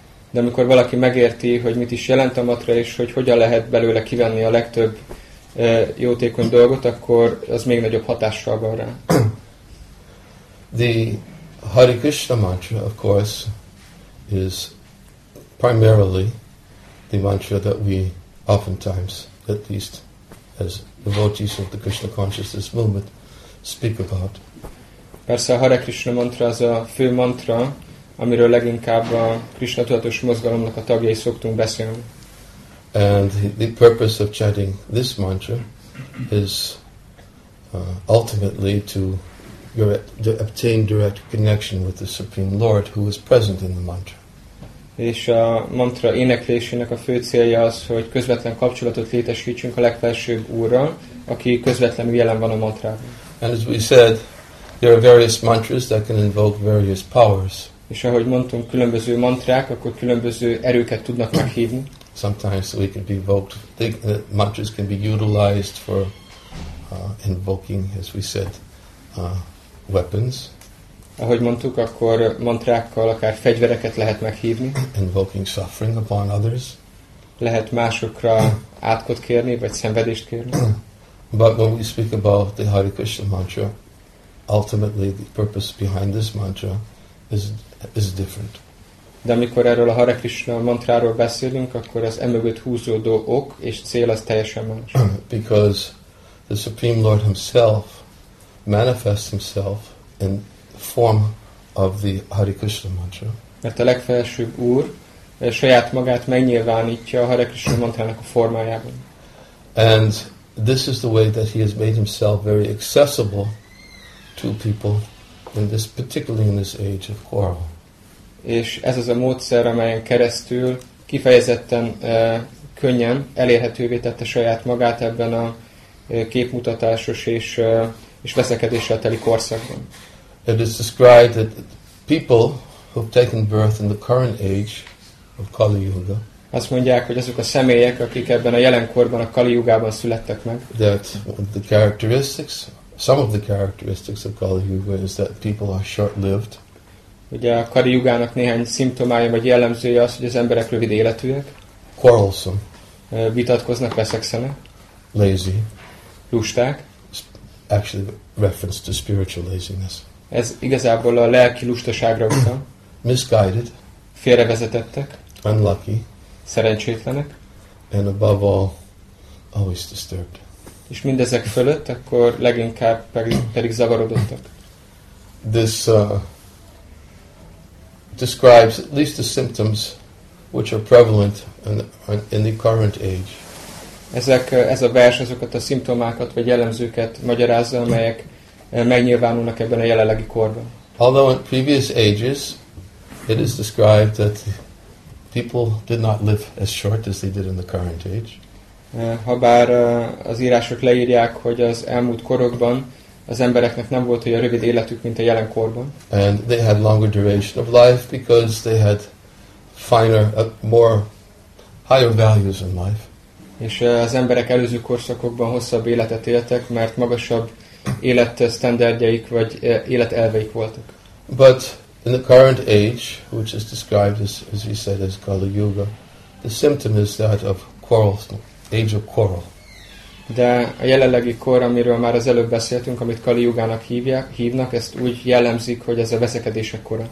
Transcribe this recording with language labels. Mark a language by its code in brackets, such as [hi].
[hu] De amikor valaki megérti, hogy mit is jelent a mantra, és hogy hogyan lehet belőle kivenni a legtöbb jótékony dolgot, akkor az még nagyobb hatással van rá. [en] The Hare Krishna mantra, of course, is primarily the mantra that we oftentimes, at least as devotees of the Krishna consciousness movement, speak about. [hu] Persze a Hare Krishna mantra az a fő mantra, amiről leginkább a Krishna tudatos mozgalomnak a tagjai szoktunk beszélni. [en] And the purpose of chanting this mantra is ultimately to obtain direct connection with the Supreme Lord who is present in the mantra. [hu] És a mantra éneklésének a fő célja az, hogy közvetlen kapcsolatot létesítsünk a legfelsőbb úrral, aki közvetlenül jelen van a mantrában. [en] And as we said, there are various mantras that can invoke various powers. [hu] És ahogy mondtunk, különböző mantrák, akkor különböző erőket tudnak meghívni. [en] Sometimes we can be invoked. Mantras can be utilized for invoking, as we said, weapons. [hu] Ahogy mondtuk, akkor mantrákkal akár fegyvereket lehet meghívni. [en] Invoking suffering upon others. [hu] Lehet másokra átkot kérni vagy szenvedést kérni. [en] But when we speak about the Hare Krishna mantra, ultimately the purpose behind this mantra is different. [hu] De amikor erről a Hare Krishna mantráról beszélünk, akkor az emögött húzódó ok és cél az teljesen más. [en] Because the Supreme Lord himself manifests himself in form of the Hare Krishna mantra. [hu] Mert a legfelsőbb úr saját magát megnyilvánítja a Hare Krishna mantrának a formájában. [en] And this is the way that he has made himself very accessible to people in this, particularly in this age of quarrel. [hu] És ez az a módszer, amelyen keresztül kifejezetten könnyen elérhetővé tette saját magát ebben a képmutatásos és veszekedéssel teli korszakban. [en] It is described that people who have taken birth in the current age of Kali Yuga, [hu] azt mondják, hogy azok a személyek, akik ebben a jelenkorban, a Kali Yugában születtek meg, [en] that the characteristics, some of the characteristics of Kali Yuga is that people are short-lived. [hu] Ugye a Kali Yugának néhány szimptomája vagy jellemzője az, hogy az emberek rövid életűek. [en] Quarrelsome. [hu] Vitatkoznak, veszekszenek. [en] Lazy. [hu] Lusták. [en] Actually, reference to spiritual laziness. [hu] Ez igazából a lelki lustaságra utal. [en] Misguided. [hu] Félrevezetettek. [en] Unlucky. [hu] Szerencsétlenek. [en] And above all, always disturbed. [hu] És mindezek fölött, akkor leginkább pedig zavarodottak. [en] This describes at least the symptoms which are prevalent in the current age. [hu] Ezek, ez a vers azokat a szimptomákat vagy jellemzőket magyarázza, amelyek megnyilvánulnak ebben a jelenlegi korban. [en] Although in previous ages it is described that people did not live as short as they did in the current age. [hu] Habár az írások leírják, hogy az elmúlt korokban az embereknek nem volt olyan rövid életük, mint a jelenkorban. [en] And they had longer duration of life because they had finer, more higher values in life. [hu] És az emberek előző korszakokban hosszabb életet éltek, mert magasabb életstandardjaik vagy életelveik voltak. [en] But in the current age, which is described as we said as Kali Yuga, the symptom is that of age of quarrel. [hu] De a jelenlegi kor, amiről már az előbb beszéltünk, amit Kali Yugának hívnak, ezt úgy jellemzik, hogy ez a veszekedések kora.